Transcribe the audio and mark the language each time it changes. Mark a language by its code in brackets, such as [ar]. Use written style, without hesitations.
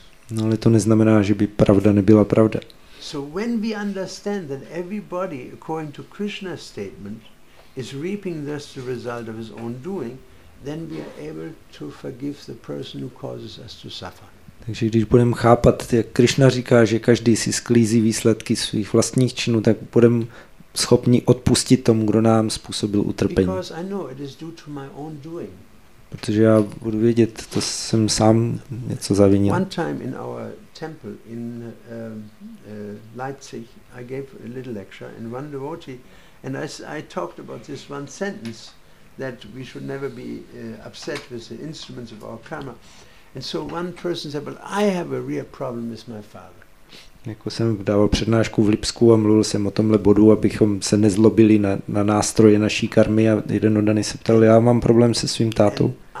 [cs] No, ale to neznamená, že by pravda nebyla pravda. [en] So when we understand that everybody, according to Krishna's statement, is reaping thus the result of his own doing, then we are able to forgive the person who causes us to suffer. [cs] Takže když budeme chápat, jak Krishna říká, že každý si sklízí výsledky svých vlastních činů, tak budeme schopni odpustit tomu, kdo nám způsobil utrpení. [en] Because I know it is due to my own doing. [cs] Protože já budu vědět, to jsem sám něco zavinil. [en] One time in our temple in Leipzig, I gave a little lecture in one devotee, and I talked about this one sentence that we should never be upset with the instruments of our karma. And so one person said, "Well, I have a real problem with my father." [cs] Jako jsem dával přednášku v Lipsku a mluvil jsem o tomhle bodu, abychom se nezlobili na nástroje naší karmy a jeden oddaný se ptal, já mám problém se svým tátou.